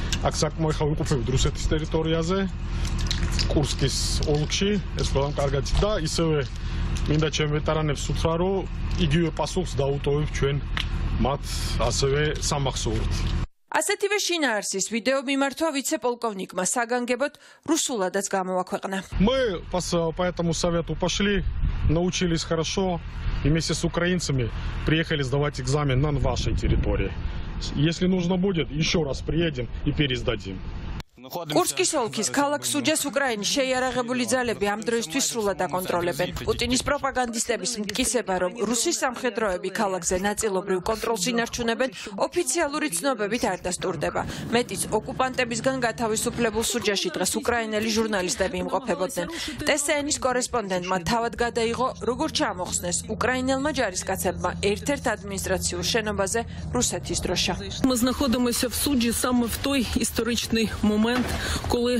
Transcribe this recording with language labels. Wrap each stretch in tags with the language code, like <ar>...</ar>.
<ka>აქ საკმო ეხა ვიყოფებით რუსეთის ტერიტორიაზე, კურსკის ოლქში, ეს ყველამ კარგად და ისევე მინდა ჩემ ვეტერანებს უთხრა, რომ იგივე პასუხს დაუტოვებ ჩვენ მათ ასევე სამახსოვრით. ასეთივე შინაარსის ვიდეო მიმართვა ვიცეპოლკოვნიკმა საგანგებოდ რუსულადაც გამოაქვეყნა.</ka> <ru>Мы поэтому совету пошли, научились хорошо и вместе с украинцами приехали сдавать экзамен на вашей территории. Если нужно будет, ещё раз приедем и пересдадим.</ru> <ka>კურსკის ოლქის ქალაქ სუჯას უკრაინის შეიარაღებული ძალები ამ დროისთვის სრულად აკონტროლებენ. პუტინის პროპაგანდისტების მტკიცება, რომ რუსი სამხედროები ქალაქზე ნაწილობრივ კონტროლს ინარჩუნებენ, ოფიციალური ცნობებით არ დასტურდება. მეტიც, ოკუპანტებისგან გათავისუფლებულ სუჯაში დღეს უკრაინელი ჟურნალისტები იმყოფებოდნენ. ტესეენის კორესპონდენტმა თავად გადაიღო, როგორ ჩამოხსნეს უკრაინელმა ჯარისკაცებმა ერთ-ერთ ადმინისტრაციულ შენობაზე რუსეთის დროშა.</ka> <uk>Мы находимся в Суджи самый в той историчный момент, коли</uk>